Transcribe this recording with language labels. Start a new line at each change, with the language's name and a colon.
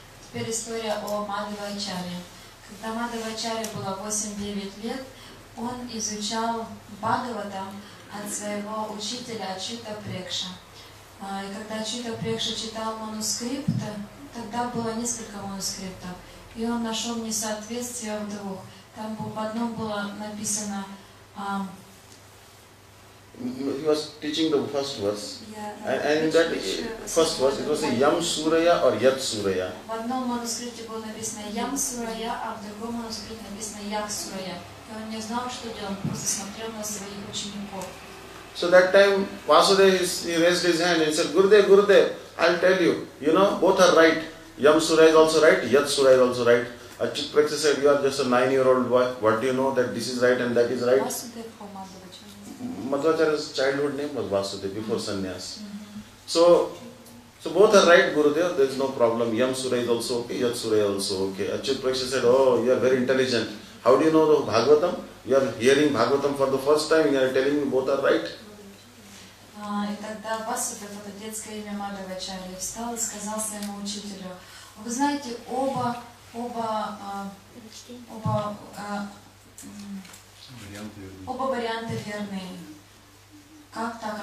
Russian: Теперь история о Мадхава Ачарье. Когда Мадхава Ачарье было 8-9 лет, он изучал Бхагаватам от своего учителя Ачюта Прекша. И когда Ачюта Прекша читал манускрипт, тогда было несколько манускриптов, и он нашел несоответствие в двух. Там в одном было написано...
English: He was teaching the first verse. And in that first verse, it was a Yam Suraya or Yat Suraya.
Russian: В одном манускрипте было написано Yam Suraya, а в другом манускрипте написано Yat Suraya. И он не знал, что делать, он просто смотрел на своих учеников.
English: So that time Vasudev, he raised his hand and said, Gurudev, Gurudev, I'll tell you, you know, both are right. Yam Suraya is also right, Yat Suraya is also right. Achyut Preksha said, you are just a 9-year-old boy. What do you know that this is right and that is right? Madhvacharya's childhood name was Vasudev before sannyas. So both are right, Gurudev, there is no problem. Yam Suraya is also okay, Yat Suraya is also okay. Achyut Preksha said, oh, you are very intelligent. How do you know the Bhagavatam? You are hearing Bhagavatam for the first time, you are telling me both are right.
Russian: И тогда Васудев, это детское имя Мадхава Ачарьи, встал и сказал своему учителю, вы знаете, оба варианта верные. Как так?